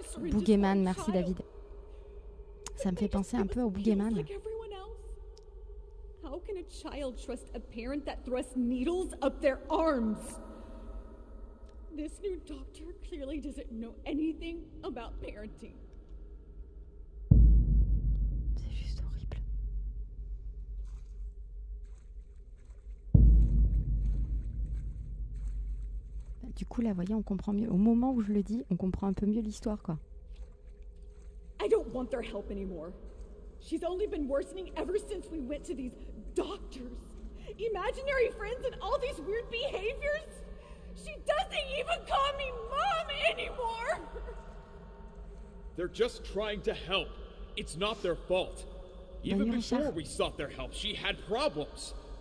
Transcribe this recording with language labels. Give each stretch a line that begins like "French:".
French: Boogeyman, merci David. Ça me fait penser un peu au Boogeyman.
English: How can a child trust a parent that thrusts needles up their arms? This new doctor clearly doesn't know anything about parenting.
French: C'est juste horrible. Du coup, là, vous voyez, on comprend mieux. Au moment où je le dis, on comprend un peu mieux l'histoire, quoi.
English: I don't want their help anymore. She's only been worsening ever since we went to these doctors. Imaginary friends and all these weird behaviors. She doesn't even call me mom anymore. They're just trying to help. It's not their fault. Even before we sought their help, she had problems.